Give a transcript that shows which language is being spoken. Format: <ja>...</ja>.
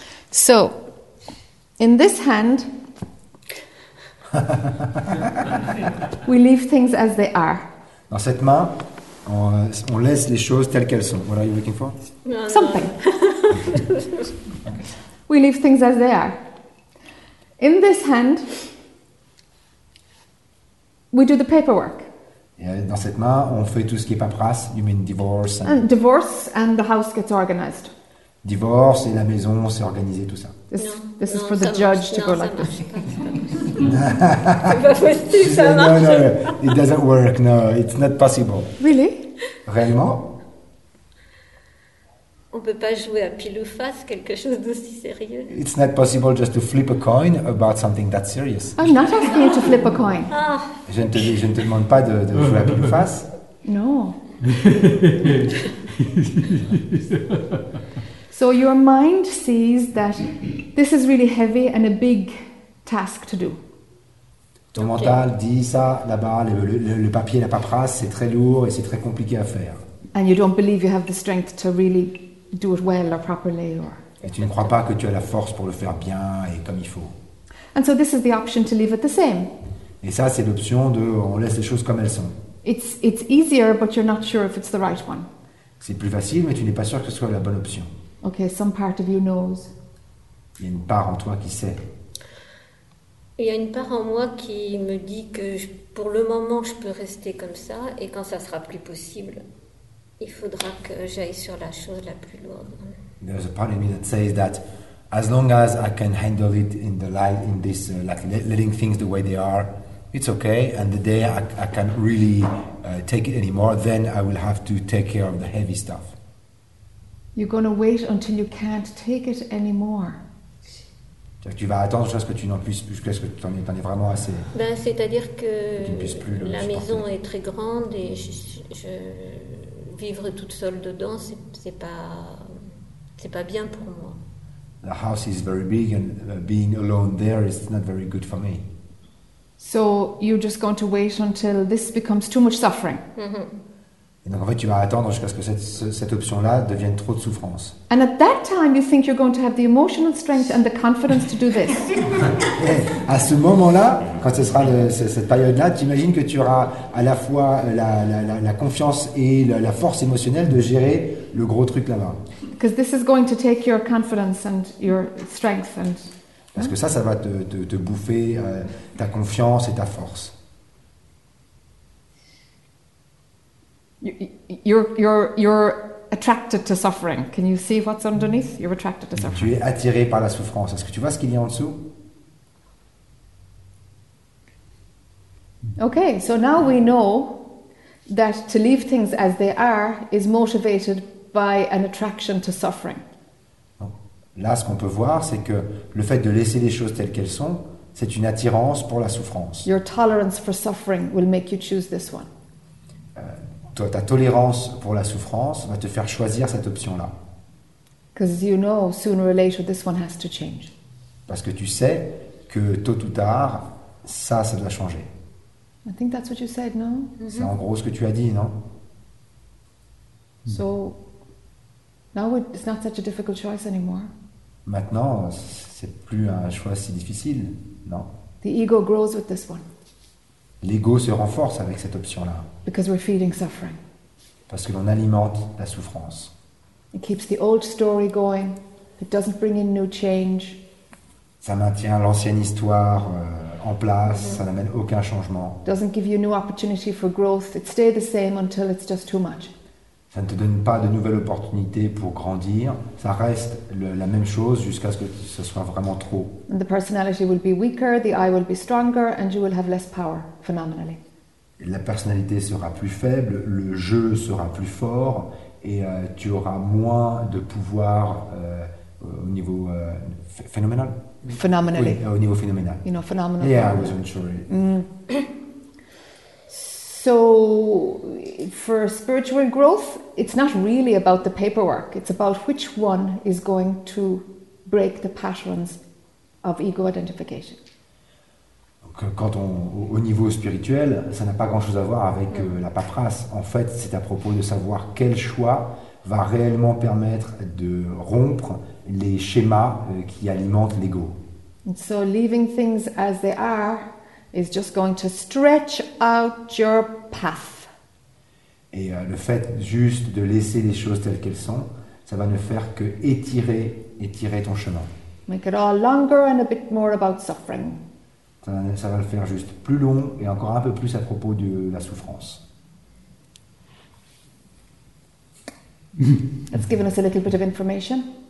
<en>So, in this hand, we leave things as they are.</en> <fr>Dans cette main, on laisse les choses telles qu'elles sont.</fr> <en>What are you looking for? No. Something. We leave things as they are. In this hand, we do the paperwork.</en> <fr>Dans cette main, on fait tout ce qui est paperasse.</fr> <en>You mean divorce? Divorce and the house gets organized.</en> <fr>Divorce et la maison s'est organisée, tout ça.</fr> <en>This is for the judge to go like this. No. It doesn't work. No, it's not possible. Really?</en> <fr>Réellement? On peut pas jouer à pile ou face quelque chose d'aussi sérieux.</fr> <en>It's not possible just to flip a coin about something that serious. I'm not asking you to flip a coin. Ah.</en> <fr>Je ne te demande pas de jouer à pile ou face.</fr> <en>No. So your mind sees that this is really heavy and a big task to do.</en> <fr>Ton mental dit ça là-bas, le papier, la paperasse, c'est très lourd et c'est très compliqué à faire.</fr> <en>And you don't believe you have the strength to really do it well or properly, or.</en> <fr>Et tu ne crois pas que tu as la force pour le faire bien et comme il faut.</fr> <en>And so this is the option to leave it the same.</en> <fr>Et ça, c'est l'option de, on laisse les choses comme elles sont.</fr> <en>It's easier, but you're not sure if it's the right one.</en> <fr>C'est plus facile, mais tu n'es pas sûr que ce soit la bonne option.</fr> <en>Okay, some part of you knows.</en> <fr>Il y a une part en toi qui sait. Il y a une part en moi qui me dit que pour le moment, je peux rester comme ça, et quand ça sera plus possible, il faudra que j'aille sur la chose la plus lourde.</fr> <en>There's a part of me that says that as long as I can handle it in the light, in this, like letting things the way they are, it's okay. And the day I can't really take it anymore, then I will have to take care of the heavy stuff. You're going to wait until you can't take it anymore.</en> <fr>Tu vas attendre jusqu'à ce que tu n'en puisses plus, jusqu'à ce que tu en aies vraiment assez. Ben, c'est-à-dire que tu ne puisses plus le supporter. Maison est très grande et je vivre toute seule dedans, c'est pas bien pour moi.</fr> <en>The house is very big and being alone there is not very good for me. So you're just going to wait until this becomes too much suffering. Mm-hmm.</en> <fr>Et donc en fait, tu vas attendre jusqu'à ce que cette option-là devienne trop de souffrance.</fr> <en>And at that time, you think you're going to have the emotional strength and the confidence to do this.</en> <fr>À ce moment-là, quand ce sera cette période-là, tu imagines que tu auras à la fois la confiance et la force émotionnelle de gérer le gros truc là-bas.</fr> <en>Because this is going to take your confidence and your strength and.</en> <fr>Parce que ça va te bouffer ta confiance et ta force.</fr> <en>You're attracted to suffering. Can you see what's underneath? You're attracted to suffering.</en> <fr>Tu es attiré par la souffrance. Est-ce que tu vois ce qu'il y a en dessous?</fr> <en>Okay, so now we know that to leave things as they are is motivated by an attraction to suffering.</en> <fr>Là, ce qu'on peut voir, c'est que le fait de laisser les choses telles qu'elles sont, c'est une attirance pour la souffrance.</fr> <en>Your tolerance for suffering will make you choose this one.</en> <fr>Ta tolérance pour la souffrance va te faire choisir cette option-là.</fr> <en>Because you know, sooner or later, this one has to change.</en> <fr>Parce que tu sais que tôt ou tard, ça doit changer.</fr> <en>I think that's what you said, no? Mm-hmm.</en> <fr>C'est en gros ce que tu as dit, non?</fr> <en>So, now it's not such a difficult choice anymore.</en> <fr>Maintenant, c'est plus un choix si difficile, non?</fr> <en>The ego grows with this one.</en> <fr>L'ego se renforce avec cette option-là.</fr> <en>Because we're feeding suffering.</en> <fr>Parce que l'on alimente la souffrance.</fr> <en>It keeps the old story going. It doesn't bring in new change.</en> <fr>Ça maintient l'ancienne histoire en place. Mm-hmm. Ça n'amène aucun changement.</fr> <en>It doesn't give you new opportunity for growth. It stays the same until it's just too much.</en> <fr>Ça ne te donne pas de nouvelles opportunités pour grandir. Ça reste la même chose jusqu'à ce que ce soit vraiment trop.</fr> <en>The personality will be weaker, the I will be stronger, and you will have less power, phenomenally.</en> <fr>La personnalité sera plus faible, le jeu sera plus fort, et tu auras moins de pouvoir au niveau phénoménal.</fr> <en>Phenomenally.</en> <fr>Oui, au niveau phénoménal.</fr> <en>You know, phenomenally. Yeah, I wasn't sure. So for spiritual growth, it's not really about the paperwork. It's about which one is going to break the patterns of ego identification.</en> <fr>Donc, quand au niveau spirituel, ça n'a pas grand-chose à voir avec la paperasse. En fait, c'est à propos de savoir quel choix va réellement permettre de rompre les schémas qui alimentent l'ego.</fr> <en>And so leaving things as they are is just going to stretch out your path.</en> <fr>Et le fait juste de laisser les choses telles qu'elles sont, ça va ne faire que étirer ton chemin.</fr> <en>Make it all longer and a bit more about suffering.</en> <fr>Ça va le faire juste plus long et encore un peu plus à propos de la souffrance.</fr> <en>It's given us a little bit of information.</en>